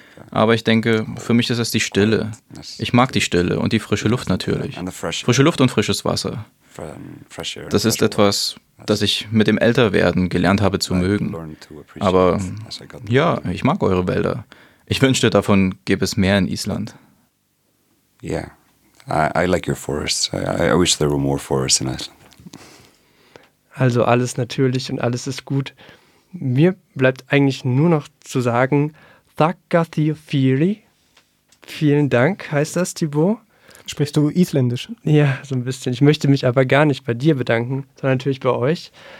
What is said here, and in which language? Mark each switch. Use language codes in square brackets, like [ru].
[de] Aber ich denke, für mich ist es die Stille. Ich mag die Stille und die frische Luft natürlich. Frische Luft und frisches Wasser. Das ist etwas, das ich mit dem Älterwerden gelernt habe zu mögen. Aber ja, ich mag eure Wälder. Ich wünschte, davon gäbe es mehr in Island. [en] Yeah, I like your forests. I wish there were more forests in Iceland. [de] Also alles natürlich und alles ist gut. Mir bleibt eigentlich nur noch zu sagen, Thakkathiofiri. Vielen Dank, heißt das, Thibaut. Sprichst du Isländisch? Ja, so ein bisschen. Ich möchte mich aber gar nicht bei dir bedanken, sondern natürlich bei euch.